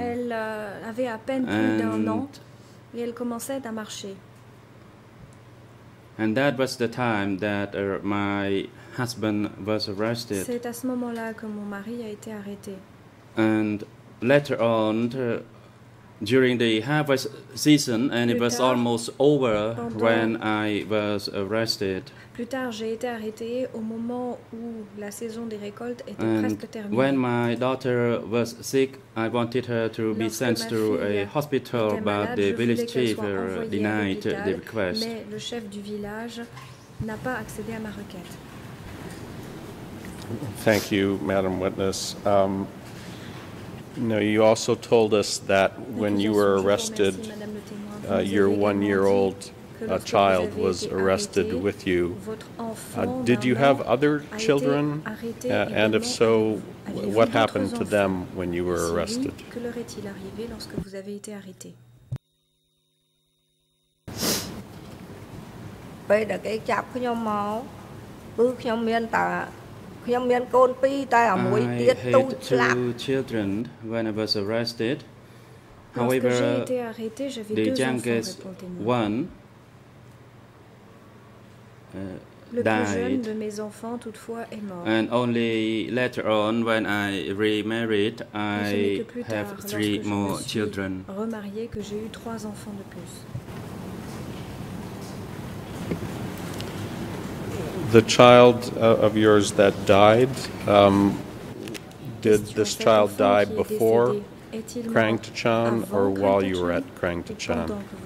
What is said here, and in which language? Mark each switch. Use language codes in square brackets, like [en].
[fr] Elle avait à peine plus d'un an et elle commençait à marcher. [en] And that was the time that my husband was arrested. [fr] C'est à ce moment-là que mon mari a été arrêté. [en] And later on, during the harvest season, and it was almost over when I was arrested. [fr] Plus tard, j'ai été arrêté au moment où la saison des récoltes était [en] and [fr] presque terminée. [en] When my daughter was sick, I wanted her to be sent to a hospital, but the village chief denied the request. [fr] Mais le chef du village n'a pas accédé à ma requête. [en] Thank you, Madam Witness. No, you also told us that when you were arrested, your one-year-old child was arrested with you. Did you have other children? And if so, what happened to them when you were arrested? [fr] Que leur est-il arrivé lorsque vous avez été arrêté? [en] I had two children when I was arrested. However, the youngest one [fr] Le plus jeune de mes enfants, toutefois, est mort. [en] And only later on, when I remarried, I have three more children. [fr] Remarié, que j'ai eu trois enfants de plus. [en] The child of yours that died, did this child die before Krang Tachan or while you were at Krang Tachan?